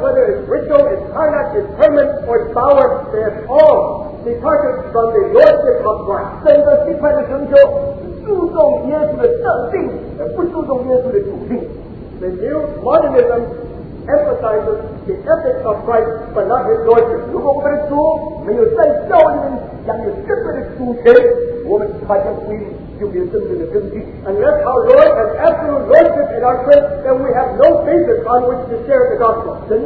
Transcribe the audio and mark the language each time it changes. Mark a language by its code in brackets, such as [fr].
[en] whether it's ritual, it's Tarnak, it's Vermin, or it's Bauer, they have all departed from the lordship of Christ. [zh] 圣者敬拜的成就，注重耶稣的圣性，而不注重耶稣的主性。 [en] The new modernism emphasizes the ethics of Christ, but not his lordship. [zh] 如果我们的主没有在教会里面讲有根本的主权，我们传教福音就没有真正的根据。Unless [en] our Lord has absolute lordship in our church, then we have no basis on which to share the gospel.